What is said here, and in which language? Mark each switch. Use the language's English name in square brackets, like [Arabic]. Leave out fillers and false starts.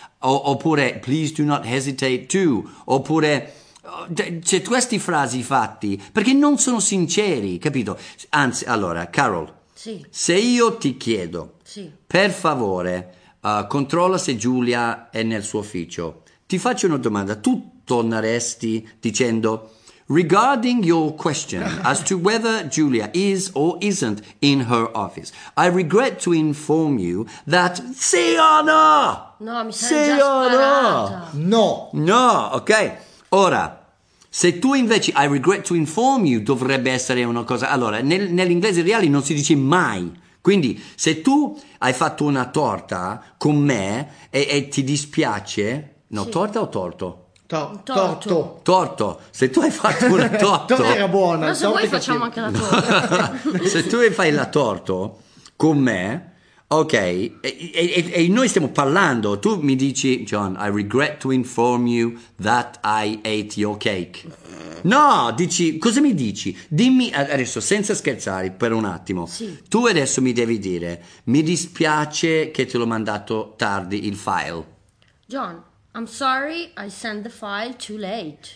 [Italian] Oppure, [English] please do not hesitate to. [Italian] Oppure, c'è queste frasi fatti, perché non sono sinceri, capito? Anzi, allora, Carol. Sì. Se io ti chiedo, sì, per favore, controlla se Giulia è nel suo ufficio. Ti faccio una domanda. Tu torneresti dicendo [English] regarding your question as to whether Giulia is or isn't in her office, I regret to inform you that [Italian] sì o no? No, mi sei già sparata. No. No, ok. Ora, se tu invece [English] I regret to inform you [Italian] dovrebbe essere una cosa, allora, nell'inglese reale non si dice mai. Quindi, se tu hai fatto una torta con me e ti dispiace, no, sì. Torta o torto? Torto. Se tu hai fatto una torta era buona. Ma se vuoi facciamo anche la torta. Se tu fai la torta con me, ok, e noi stiamo parlando, tu mi dici, John, [English] I regret to inform you that I ate your cake. [Italian] No, dici, cosa mi dici? Dimmi, adesso, senza scherzare, per un attimo. Sì. Tu adesso mi devi dire, mi dispiace che te l'ho mandato tardi il file. [English] John, I'm sorry, I sent the file too late.